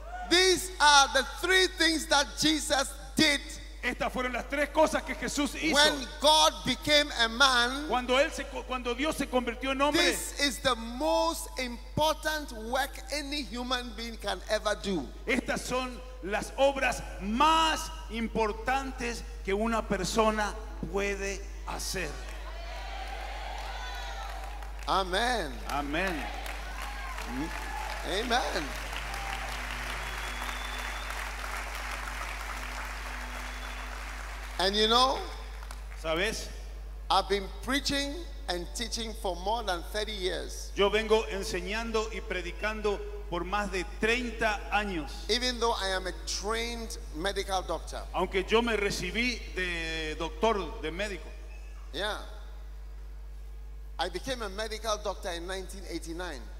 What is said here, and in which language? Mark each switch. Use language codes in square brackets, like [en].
[en] These are the three things that Jesus did. [es] Estas fueron las tres cosas que Jesús hizo. [en] When God became a man, [es] cuando Dios se convirtió en hombre, [en] this is the most important work any human being can ever do. [es] Estas son las obras más importantes que una persona puede hacer. Amen. Amen. Amen. [en] And you know, [es] ¿sabes? [en] I've been preaching and teaching for more than 30 years. [es] Yo vengo enseñando y predicando por más de 30 años. [en] Even though I am a trained medical doctor. [es] Aunque yo me recibí de doctor, de médico. [en] Yeah. I became a medical doctor in 1989.